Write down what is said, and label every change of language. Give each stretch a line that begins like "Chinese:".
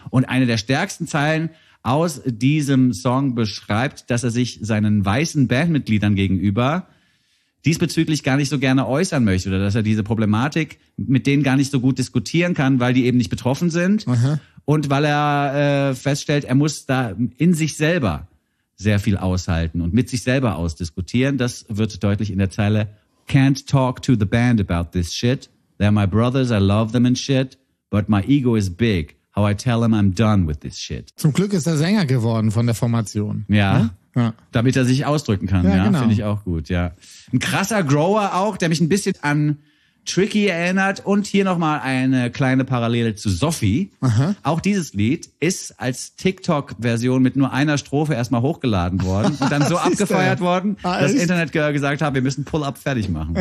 German: Und eine der stärksten Zeilen aus diesem Song beschreibt, dass er sich seinen weißen Bandmitgliedern gegenüber diesbezüglich gar nicht so gerne äußern möchte oder dass er diese Problematik mit denen gar nicht so gut diskutieren kann, weil die eben nicht betroffen sind. Aha. Und weil er feststellt, er muss da in sich selber sehr viel aushalten und mit sich selber ausdiskutieren. Das wird deutlich in der Zeile:
English: Can't talk to the band about this shit. They're my brothers, I love them and shit. But my ego is big. How I tell them I'm done with this shit.
German: Zum Glück ist er Sänger geworden von der Formation. Ja. Ja. Damit er sich ausdrücken kann. Ja, ja, genau. Finde ich auch gut, ja. Ein krasser Grower auch, der mich ein bisschen an Tricky erinnert. Und hier nochmal eine kleine Parallele zu Sophie. Aha. Auch dieses Lied ist als TikTok-Version mit nur einer Strophe erstmal hochgeladen worden und dann so abgefeuert worden, dass Internet-Girl gesagt hat, wir müssen Pull-Up fertig machen.